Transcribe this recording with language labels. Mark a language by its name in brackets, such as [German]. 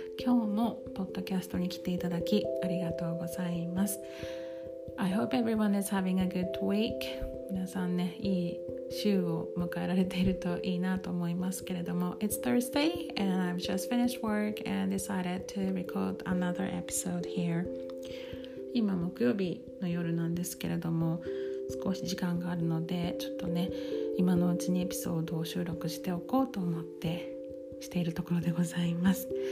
[Japanese] 今日もポッドキャストに来ていただきありがとうございます。 [English] I hope everyone is having a good week. [Japanese] 皆さんね、いい週を迎えられているといいなと思いますけれども。 [English] It's Thursday and I've just finished work and decided to record another episode here. [Japanese] 今木曜日の夜なんですけれども、少し時間があるのでちょっとね今のうちにエピソードを収録しておこうと思ってしているところでございます。